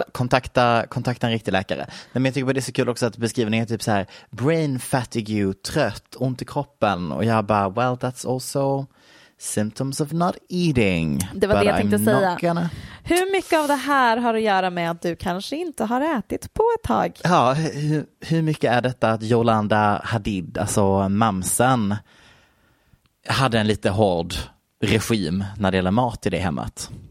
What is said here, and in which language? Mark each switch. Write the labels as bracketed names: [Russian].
[Swedish] Kontakta en riktig läkare. Men jag tycker att det är så kul också att beskrivningen är typ så här: [English] brain fatigue, [Swedish] trött, ont i kroppen. Och jag bara, [English] well, that's also symptoms of not eating. [Swedish] Det var det jag tänkte säga. Hur mycket av det här har att göra med att du kanske inte har ätit på ett tag? Ja, hur mycket är detta att Yolanda Hadid, alltså mamsen, hade en lite hård regim när det gäller mat i det hemmet?